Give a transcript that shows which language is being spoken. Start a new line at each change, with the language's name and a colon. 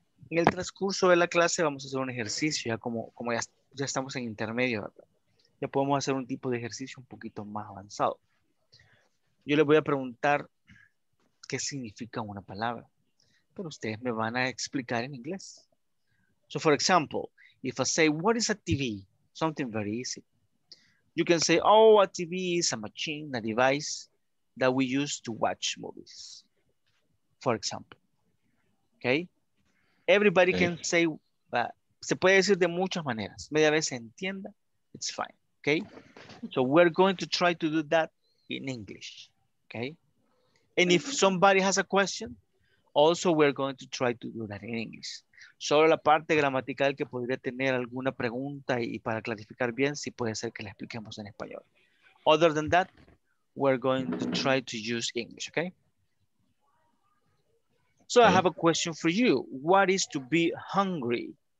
Spanish: En el transcurso de la clase vamos a hacer un ejercicio, ya como ya estamos en intermedio, ¿verdad? Ya podemos hacer un tipo de ejercicio un poquito más avanzado. Yo les voy a preguntar qué significa una palabra, pero ustedes me van a explicar en inglés.
English: So for example, if I say, what is a TV? Something very easy. You can say, oh, a TV is a machine, a device that we use to watch movies, for example. Okay? Everybody okay. Can say,
Spanish: se puede decir de muchas maneras. Media vez se entienda,
English: it's fine, okay? So we're going to try to do that in English, okay? And if somebody has a question, also we're going to try to do that in English.
Spanish: Solo la parte gramatical que podría tener alguna pregunta y para clarificar bien, sí puede ser que la expliquemos en español.
English: Other than that, we're going to try to use English, okay? So I have a question for you. What is to be hungry?